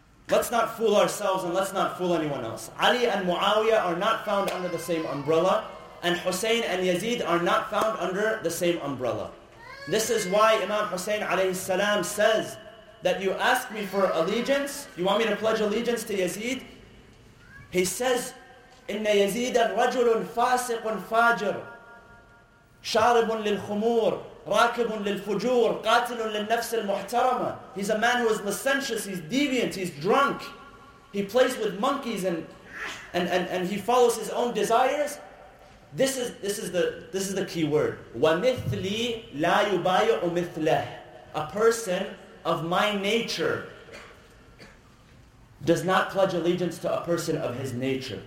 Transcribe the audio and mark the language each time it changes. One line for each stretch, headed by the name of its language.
English: Let's not fool ourselves and let's not fool anyone else. Ali and Muawiyah are not found under the same umbrella, and Hussein and Yazid are not found under the same umbrella. This is why Imam Hussein alayhi salam says that you ask me for allegiance, you want me to pledge allegiance to Yazid? He says,
Arabic: إِنَّ يَزِيدًا رَجُلٌ فَاسِقٌ فَاجِرٌ شَارِبٌ لِلْخُمُورِ راكبٌ للفجور قاتلٌ للنفس المحترمة.
English: He's a man who is licentious, he's deviant, he's drunk. He plays with monkeys and he follows his own desires. This is the key word.
Arabic: وَمِثْلِي لَا يُبَايُعُ مِثْلَهُ.
English: A person of my nature does not pledge allegiance to a person of his nature.